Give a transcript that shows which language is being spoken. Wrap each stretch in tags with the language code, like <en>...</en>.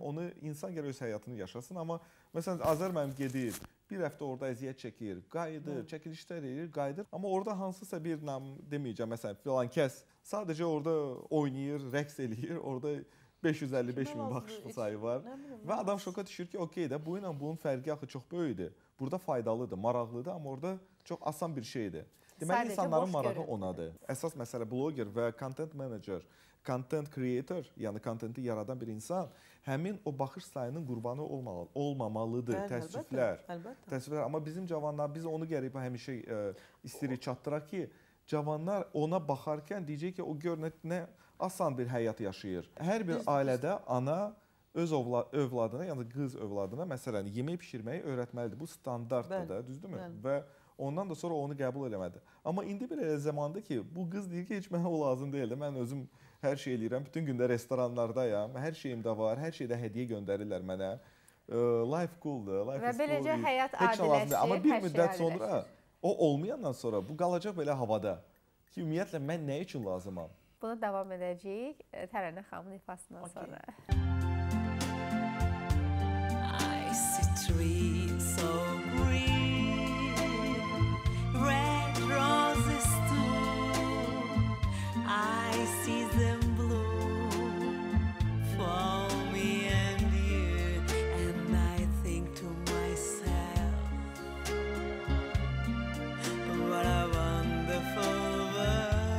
<az>Onu insan gərək öz həyatını yaşasın, amma məsələn Azər mənim gedir, bir həftə orada əziyyət çəkir, qayıdır, çəkilişlər edir, qayıdır. Amma orada hansısa bir nam deməyəcəm, məsələn, filan kəs. Sadəcə orada oynayır, rəqs eləyir, orada 555 min baxış sayı var. Və adam şoka düşür ki, okey də, bu ilə bunun fərqi axı çox böyükdür. Burada faydalıdır, maraqlıdır, amma orada çox asan bir şeydir. Deməli, sadece insanların marağı onadır. Əsas məsələ blogger və content manager, content creator, yəni contenti yaradan bir insan həmin o baxış sayının qurbanı olmamalıdır, təəssüflər. Əlbəttə. Təəssüflər. Amma bizim cavanlar, biz onu gəlib həmişə istəyirik çatdıraq ki, cavanlar ona baxarkən deyəcək ki, o görünür nə asan bir həyat yaşayır. Hər bir ailədə ana öz övladına, yəni qız övladına məsələn yemək bişirməyi öyrətməlidir. Bu standartdır da, düzdürmü? Və ondan da sonra onu qəbul eləmədi. Amma indi bir elə zamanda ki, bu qız deyir ki, heç mənə o lazım deyil də, mən özüm hər şey eləyirəm, bütün gündə restoranlardayam, hər şeyim də var, hər şeydə hədiyyə göndərirlər mənə.</az> <en>Life cooldur, life is cool.</en> <az>Və beləcə həyat adiləşir. Amma bir müddət sonra o olmayandan sonra bu qalacaq belə havada ki, ümumiyyətlə mən nə üçün lazımam? Bunu davam edəcəyik Tərənə xanımın ifasından sonra.</az> <en>I see trees so green, red roses too. I see them blue for me and you, and I think to myself, what a wonderful world.</en>